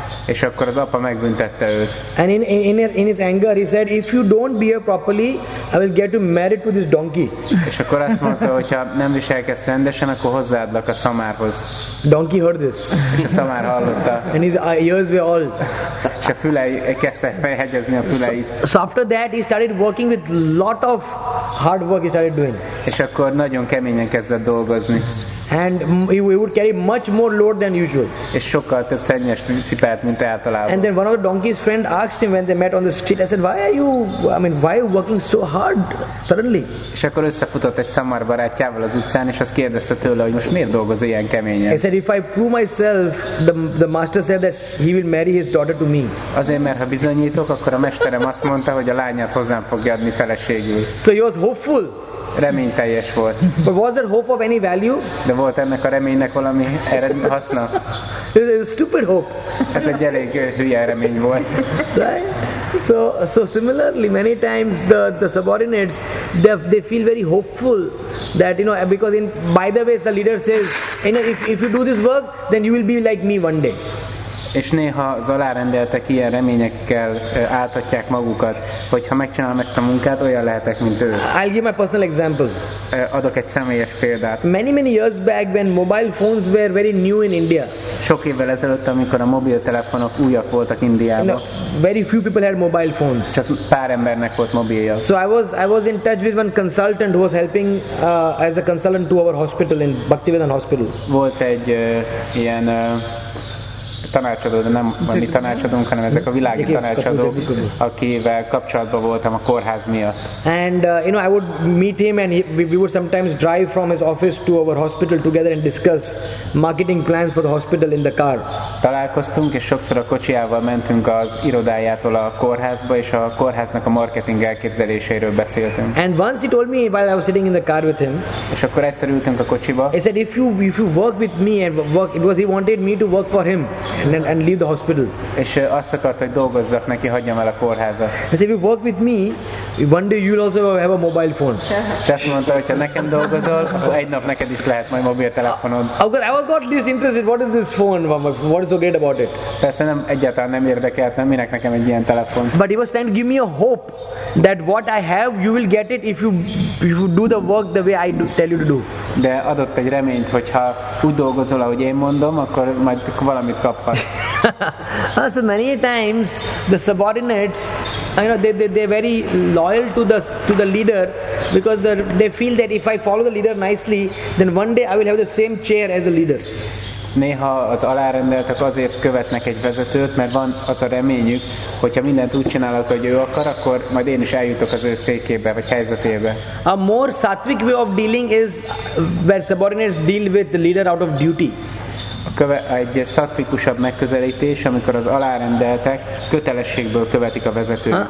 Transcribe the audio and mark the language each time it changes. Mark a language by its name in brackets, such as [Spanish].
[Hungarian] És akkor az apa megbüntette őt. [English] And in his anger he said, if you don't behave properly, I will get you married to this donkey. [Hungarian] És akkor azt mondta, hogy ha nem viselkedsz rendesen, akkor hozzáadlak a szamárhoz. [English] Donkey heard this. [Hungarian] És a szamár hallotta. [English] And his ears were all. [Hungarian] És a fülei, kezdte fejhegyezni a füleit. [English] So after that, he started working with lot of hard work. He started doing. [Hungarian] És akkor nagyon keményen kezdett dolgozni. [English] And he would carry much more load than usual. [Hungarian] És sokkal több szennyes cipelt, mint általában. [English] And then one of the donkey's friend asked him when they met on the street. I said, why are you? Why are you working so hard suddenly? [Hungarian] És akkor összefutott egy szamár barátjával az utcán, és azt kérdezte tőle, hogy most miért dolgozol ilyen keményen. [English] He said, if I prove myself, the master said that he will marry his daughter to me. [Hungarian] Azért, mert ha bizonyítok, akkor a mesterem azt mondta, hogy a lányát hozzám fogja adni feleségül. [English] So he was hopeful. [Hungarian] Reményteljes volt. [English] But was there hope of any value? [Hungarian] De volt ennek a reménynek valami haszna? [English] It was a stupid hope. [Hungarian] Ez egy elég hülye remény volt. [English] Right? So similarly, many times the subordinates they feel very hopeful that, you know, because by the way the leader says, you know, if you do this work, then you will be like me one day. [Hungarian] És néha az alárendeltek ilyen reményekkel átadják magukat, hogy ha megcsinálom ezt a munkát, olyan lehetek, mint ő. [English] I'll give my personal example. [Hungarian] Adok egy személyes példát. [English] Many years back, when mobile phones were very new in India. [Hungarian] Sok évvel ezelőtt, amikor a mobiltelefonok újak voltak Indiában. [English] Very few people had mobile phones. [Hungarian] Csak pár embernek volt mobilja. [English] So I was in touch with one consultant who was helping as a consultant to our hospital in Bhaktivedan Hospital. [Hungarian] Volt egy ilyen tanácsadó, de nem a mi tanácsadónk, hanem ezek a világi tanácsadók, akivel kapcsolatban voltam a kórház miatt. [English] And you know, I would meet him and we would sometimes drive from his office to our hospital together and discuss marketing plans for the hospital in the car. [Hungarian] Találkoztunk, és sokszor a kocsijával mentünk az irodájától a kórházba, és a kórháznak a marketing elképzeléséről beszéltünk. [English] And once he told me while I was sitting in the car with him. [Hungarian] És akkor egyszer ültünk a kocsiba. [English] He said, if you work with me and work, because he wanted me to work for him. And leave the hospital. [Hungarian] És azt akart, hogy dolgozzak neki, hagyjam el a kórházat. [English] He said, if you work with me, one day you'll also have a mobile phone. [Hungarian] És azt mondta, hogyha nekem dolgozol, egy nap neked is lehet majd mobiltelefonod. [English] I got this interested. What is this phone? What is so great about it? [Hungarian] Persze nem, egyáltalán nem érdekelt, mert minek nekem egy ilyen telefon. [English] But he was trying to give me a hope that what I have, you will get it if you do the work the way I tell you to do. [Hungarian] De adott egy reményt, hogyha úgy dolgozol, ahogy én mondom, akkor majd valamit kaphatsz. [English] So many times the subordinates, you know, they're very loyal to the leader, because they feel that if I follow the leader nicely, then one day I will have the same chair as a leader. [Hungarian] Néha az alárendeltek azért követnek egy vezetőt, mert van az a reményük, hogyha mindent úgy csinálok, hogy ő akar, akkor majd én is eljutok az ő székébe, vagy helyzetébe. [English] A more sattvic way of dealing is where subordinates deal with the leader out of duty. [Hungarian] Egy szattvikusabb megközelítés, amikor az alárendeltek kötelességből követik a vezetőket.